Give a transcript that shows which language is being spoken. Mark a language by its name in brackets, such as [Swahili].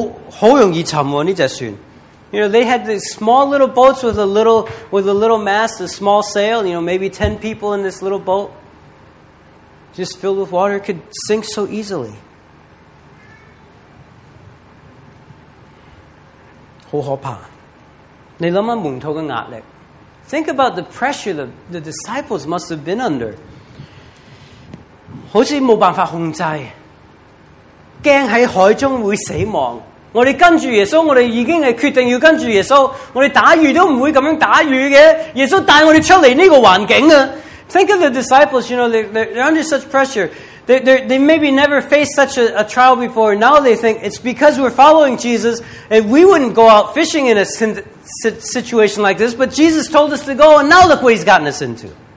[Chinese] 那些小船有一个风帆或者没风帆,10个人坐到有鱼,哇,好容易沉哦,这只船. [English] You know, they had these small little boats with a little mast, a small sail, you know, maybe 10 people in this little boat, just filled with water, could sink so easily. [Chinese] 很可怕,你想想门徒的压力, [English] think about the pressure that the disciples must have been under. [Chinese] 好像没办法控制,怕在海中会死亡,我们跟着耶稣,我们已经决定要跟着耶稣,我们打鱼都不会这样打鱼的,耶稣带我们出来这个环境啊。 [English] Think of the disciples, you know, they're under such pressure. They maybe never faced such a trial before. Now they think it's because we're following Jesus and we wouldn't go out fishing in a situation like this, but Jesus told us to go and now look what he's gotten us into.